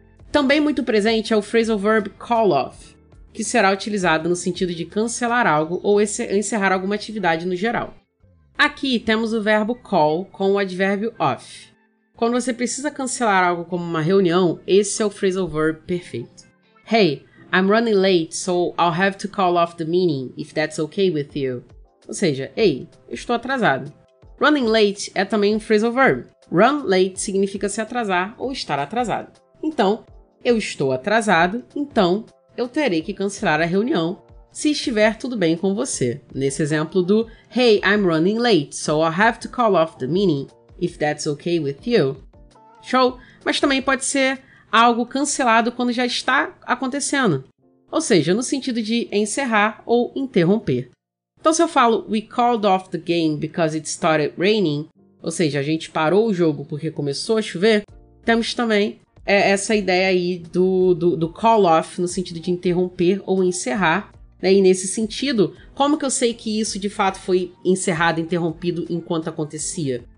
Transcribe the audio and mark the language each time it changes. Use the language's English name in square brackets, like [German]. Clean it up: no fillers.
[Portuguese] Também muito presente é o phrasal verb call off, que será utilizado no sentido de cancelar algo ou encerrar alguma atividade no geral. Aqui temos o verbo call com o advérbio off. Quando você precisa cancelar algo como uma reunião, esse é o phrasal verb perfeito. [English] Hey, I'm running late, so I'll have to call off the meeting, if that's okay with you. [Portuguese] Ou seja, ei, eu estou atrasado. Running late é também um phrasal verb. Run late significa se atrasar ou estar atrasado. Então, eu estou atrasado, então eu terei que cancelar a reunião se estiver tudo bem com você. Nesse exemplo do [English] hey, I'm running late, so I'll have to call off the meeting, if that's okay with you. [Portuguese] Show! Mas também pode ser algo cancelado quando já está acontecendo. Ou seja, no sentido de encerrar ou interromper. Então, se eu falo [English] we called off the game because it started raining, [Portuguese] ou seja, a gente parou o jogo porque começou a chover, temos também essa ideia aí do call off no sentido de interromper ou encerrar, né? E nesse sentido, como que eu sei que isso de fato foi encerrado, interrompido enquanto acontecia?